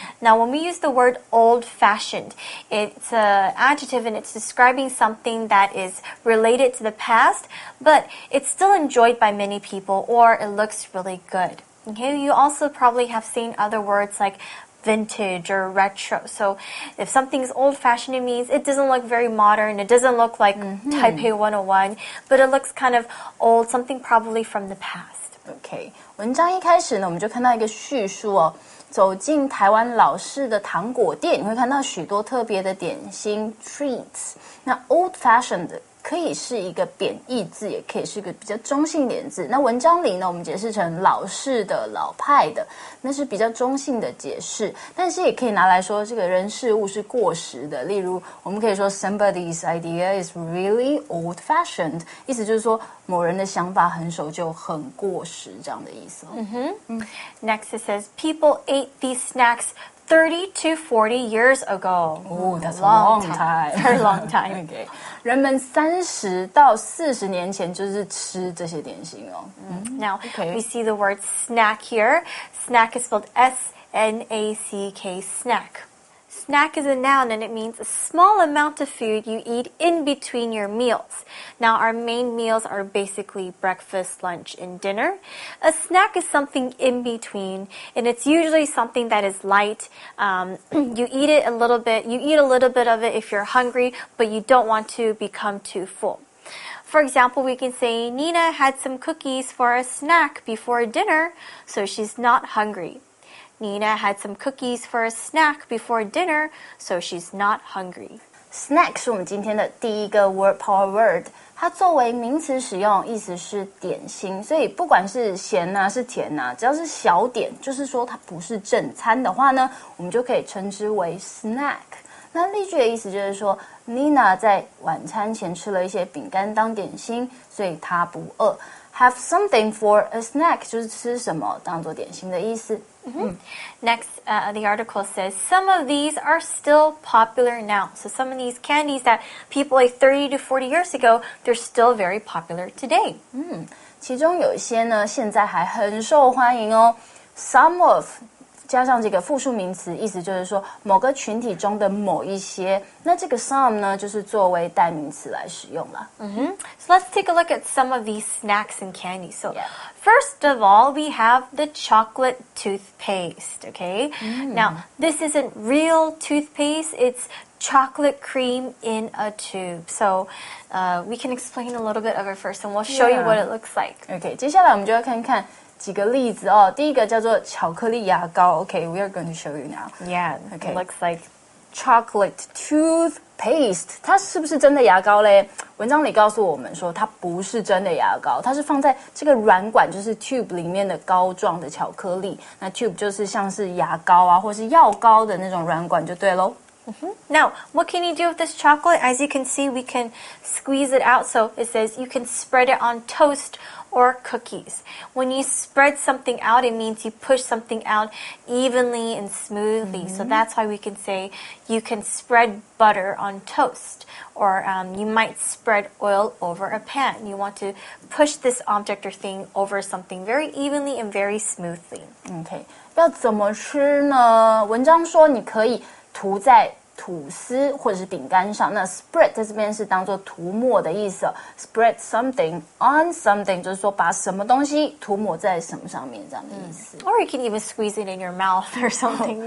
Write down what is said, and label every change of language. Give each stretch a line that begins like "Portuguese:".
English: Now, when we use the word old-fashioned, it's an adjective, and it's describing something that is related to the past, but it's still enjoyed by many people, or it looks really good. Okay, you also probably have seen other words likevintage or retro. So if something's old-fashioned, it means it doesn't look very modern, it doesn't look like Taipei 101, but it looks kind of old, something probably from the past.
Chinese: Okay, 文章一开始呢，我们就看到一个叙述哦，走进台湾老式的糖果店，你会看到许多特别的点心 treats。那 old-fashioned 可以是一个贬义字，也可以是一个比较中性点字。那文章里呢，我们解释成老式的、老派的，那是比较中性的解释，但是也可以拿来说这个人事物是过时的。例如我们可以说
English: somebody's idea is really old fashioned，
Chinese: 意思就是说某人的想法很守旧、很过时这样的意思。
English: Next it says people ate these snacks 30 to 40 years ago. That's a long time. Very long time. Okay.
Chinese: 人们三十到四十年前就是吃这些点心哦。
English: Now, okay. We see the word snack here. Snack is spelled S-N-A-C-K, snack. Snack is a noun, and it means a small amount of food you eat in between your meals. Now, our main meals are basically breakfast, lunch, and dinner. A snack is something in between, and it's usually something that is light. You eat it a little bit. You eat a little bit of it if you're hungry, but you don't want to become too full. For example, we can say, Nina had some cookies for a snack before dinner, so she's not hungry. Nina had some cookies for a snack before dinner, so she's not hungry.
Chinese: Snack 是我们今天的第一个 word power word， 它作为名词使用，意思是点心，所以不管是咸啊，是甜啊，只要是小点，就是说它不是正餐的话呢，我们就可以称之为 snack。那例句的意思就是说 ，Nina 在晚餐前吃了一些饼干当点心，所以她不饿。
English: Have something for a snack
Chinese: 就是吃什么当做点心的意思。
English: Next, the article says, some of these are still popular now. So some of these candies that people ate 30 to 40 years ago, they're still very popular today.
Chinese: 其中有一些呢现在还很受欢迎哦。
English: Some of,
Chinese: 加上这个复数名词意思就是说某个群体中的某一些。那这个 some 呢就是作为代名词来使用啦。
English: So let's take a look at some of these snacks and candies. So,First of all, we have the chocolate toothpaste, okay? Now, this isn't real toothpaste. It's chocolate cream in a tube. So, we can explain a little bit of it first, and we'll show you what it looks like.
Chinese: Okay, 接下来我们就要看看几个例子哦。第一个叫做巧克力牙膏。
English: Okay, we are going to show you now. Yeah, okay. It looks like chocolate toothpaste.
Chinese: 它是不是真的牙膏咧？文章里告诉我们说它不是真的牙膏，它是放在这个软管就是 tube 里面的膏状的巧克力，那 tube 就是像是牙膏啊或是药膏的那种软管就对咯。
English: Now, what can you do with this chocolate? As you can see, we can squeeze it out. So it says you can spread it on toast or cookies. When you spread something out, it means you push something out evenly and smoothly. So that's why we can say you can spread butter on toast. Or you might spread oil over a pan. You want to push this object or thing over something very evenly and very smoothly.
Chinese: Okay, 要怎么吃呢？文章说你可以涂在吐司或者是饼干上，那 spread 在这边是当作涂抹的意思。
English: Spread something on something
Chinese: 就是说把什么东西涂抹在什么上面这样的意思。
English: Or you can even squeeze it in your mouth or something.